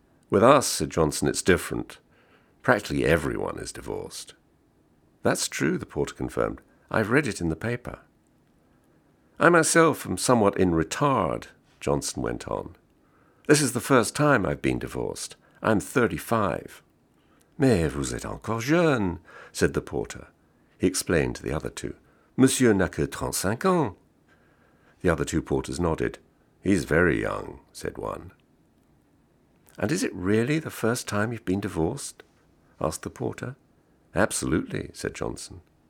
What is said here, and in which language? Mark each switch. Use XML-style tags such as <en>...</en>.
<en>With us, said Johnson, it's different. Practically everyone is divorced. That's true, the porter confirmed. I've read it in the paper. I myself am somewhat in retard, Johnson went on. This is the first time I've been divorced. I'm 35.</en> <fr>Mais vous êtes encore jeune,</fr> <en>said the porter. He explained to the other two.</en> <fr>Monsieur n'a que 35 ans.</fr> <en>The other two porters nodded. He's very young, said one. And is it really the first time you've been divorced? Asked the porter. Absolutely, said Johnson.</en>